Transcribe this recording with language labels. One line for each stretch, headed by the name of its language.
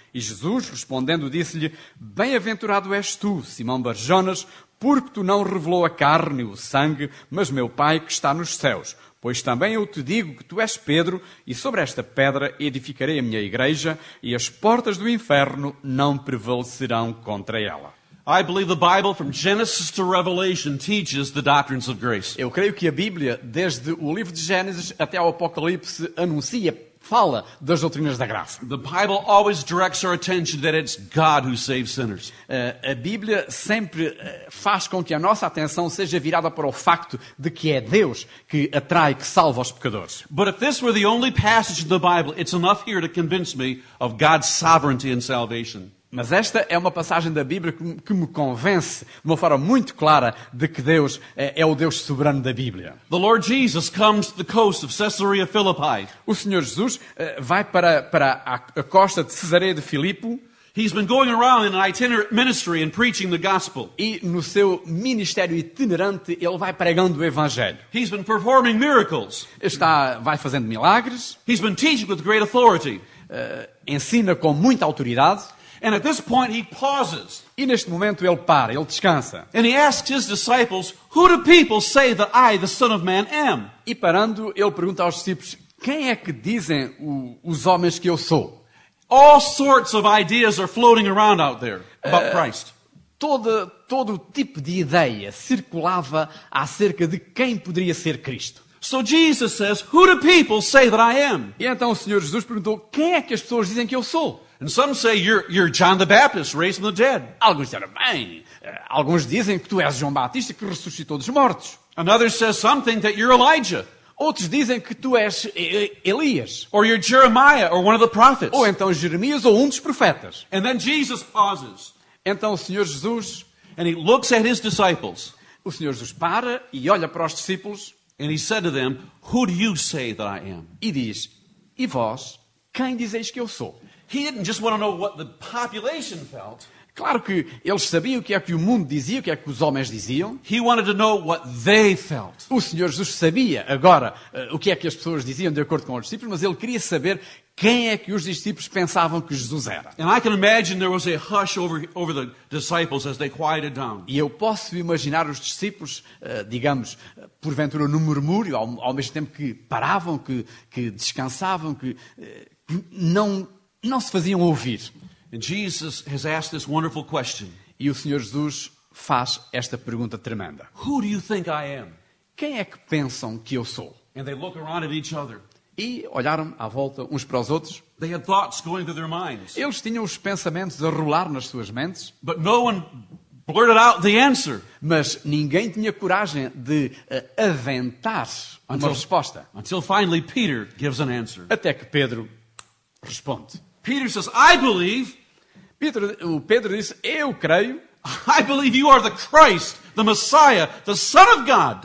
Portuguese: E Jesus, respondendo, disse-lhe, bem-aventurado és tu, Simão Barjonas, porque tu não revelou a carne e o sangue, mas meu Pai que está nos céus. Pois também eu te digo que tu és Pedro, e sobre esta pedra edificarei a minha igreja, e as portas do inferno não prevalecerão contra ela.
English: I believe the Bible from Genesis to Revelation teaches the doctrines of grace.
Portuguese: Eu creio que a Bíblia, desde o livro de Gênesis até ao Apocalipse, anuncia, fala das doutrinas da graça.
English: The Bible always directs our attention that it's God who saves sinners.
Portuguese: A Bíblia sempre faz com que a nossa atenção seja virada para o facto de que é Deus que atrai, que salva os pecadores.
English: But if this were the only passage in the Bible, it's enough here to convince me of God's sovereignty and salvation.
Portuguese: Mas esta é uma passagem da Bíblia que me convence de uma forma muito clara de que Deus é o Deus soberano da Bíblia.
English: The Lord Jesus comes to the coast of Caesarea Philippi.
Portuguese: O Senhor Jesus vai para a costa de Cesareia de Filipe.
English: He's been going around in an itinerant ministry and preaching the gospel.
Portuguese: E no seu ministério itinerante ele vai pregando o evangelho.
English: He's been performing miracles.
Portuguese: Vai fazendo milagres.
English: He's been teaching with great authority.
Portuguese: Ensina com muita autoridade.
English: And at this point he pauses.
Portuguese: E neste momento ele para, ele descansa.
English: And he asks his disciples, "Who do people say that I, the Son of Man, am?"
Portuguese: E parando, ele pergunta aos discípulos, "Quem é que dizem os homens que eu sou?"
English: All sorts of ideas are floating around out there about Christ.
Portuguese: Todo tipo de ideia circulava acerca de quem poderia ser Cristo.
English: So Jesus says, "Who do people say that I am?"
Portuguese: E então o Senhor Jesus perguntou, "Quem é que as pessoas dizem que eu sou?"
English: And some say, "You're John the Baptist, raised from the dead."
Portuguese: Alguns disseram, "Bem, alguns dizem que tu és João Batista que ressuscitou dos mortos."
English: Another says something that you're Elijah.
Portuguese: Outros dizem que tu és Elias.
English: Or you're Jeremiah, or one of the prophets.
Portuguese: Ou então Jeremias ou um dos profetas.
English: And then Jesus pauses.
Portuguese: Então o Senhor Jesus,
English: and he looks at his disciples.
Portuguese: O Senhor Jesus para e olha para os discípulos.
English: And he said to them, "Who do you say that I am?"
Portuguese: E diz, "E vós, quem dizeis que eu sou?"
English: He didn't just want to know what the population felt.
Portuguese: Claro que eles sabiam o que é que o mundo dizia, o que é que os homens diziam.
English: He wanted to know what they felt.
Portuguese: O Senhor Jesus sabia agora o que é que as pessoas diziam de acordo com os discípulos, mas ele queria saber quem é que os discípulos pensavam que Jesus era.
English: And I can imagine there was a hush over the disciples as they quieted down.
Portuguese: E eu posso imaginar os discípulos, digamos, porventura num murmúrio, ao mesmo tempo que paravam, que descansavam, que não se faziam ouvir.
English: And Jesus has asked this wonderful question.
Portuguese: E o Senhor Jesus faz esta pergunta tremenda.
English: Who do you think I am?
Portuguese: Quem é que pensam que eu sou?
English: And they look around at each other.
Portuguese: E olharam à volta uns para os outros.
English: They had thoughts going through their minds.
Portuguese: Eles tinham os pensamentos a rolar nas suas mentes.
English: But no one blurted out the answer.
Portuguese: Mas ninguém tinha coragem de aventar uma resposta.
English: Until finally Peter gives an answer.
Portuguese: Até que Pedro responde.
English: Peter says, "I believe."
Portuguese: Pedro diz, "Eu creio."
English: "I believe you are the Christ, the Messiah, the Son of God."